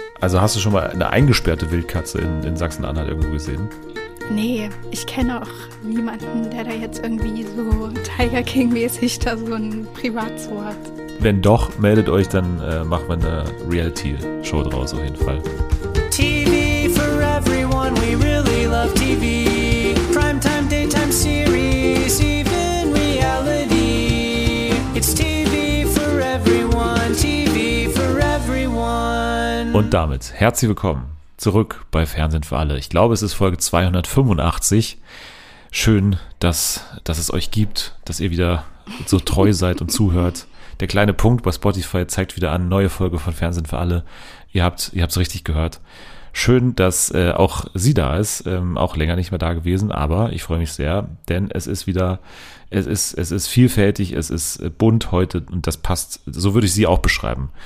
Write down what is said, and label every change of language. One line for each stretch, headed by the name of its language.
German: Also hast du schon mal eine eingesperrte Wildkatze in Sachsen-Anhalt irgendwo gesehen? Nee, ich kenne auch niemanden, der da jetzt irgendwie so Tiger King-mäßig da so ein Privatzoo hat. Wenn doch, meldet euch, dann machen wir eine Reality-Show draus auf jeden Fall.
English: TV for everyone, we really love TV. Primetime, daytime series, even reality. It's TV for everyone, TV for everyone.
German: Und damit herzlich willkommen zurück bei Fernsehen für alle. Ich glaube, es ist Folge 285. Schön, dass es euch gibt, dass ihr wieder so treu seid und zuhört. Der kleine Punkt bei Spotify zeigt wieder an, neue Folge von Fernsehen für alle. Ihr habt es richtig gehört. Schön, dass auch sie da ist, auch länger nicht mehr da gewesen, aber ich freue mich sehr, denn es ist vielfältig, es ist bunt heute und das passt, so würde ich sie auch beschreiben.